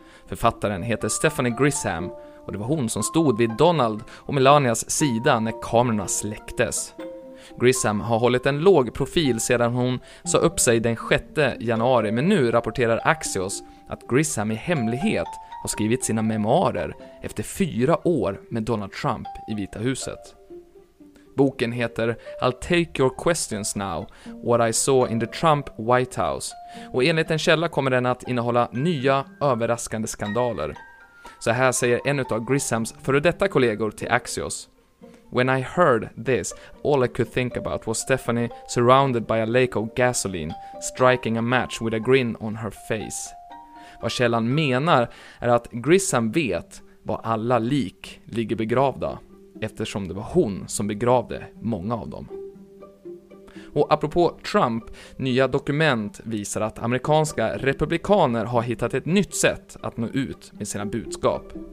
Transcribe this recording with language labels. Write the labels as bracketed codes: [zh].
[sv] Författaren heter Stephanie Grisham. Och det var hon som stod vid Donald och Melanias sida när kamerorna släcktes. Grisham har hållit en låg profil sedan hon sa upp sig den 6 januari. Men nu rapporterar Axios att Grisham i hemlighet har skrivit sina memoarer efter 4 år med Donald Trump i Vita huset. Boken heter I'll Take Your Questions Now, What I Saw in the Trump White House. Och enligt en källa kommer den att innehålla nya överraskande skandaler. Så här säger en av Grishams före detta kollegor till Axios. [en] When I heard this, all I could think about was Stephanie surrounded by a lake of gasoline, striking a match with a grin on her face. [sv] Vad källan menar är att Grisham vet var alla lik ligger begravda, eftersom det var hon som begravde många av dem. Och apropå Trump, nya dokument visar att amerikanska republikaner har hittat ett nytt sätt att nå ut med sina budskap.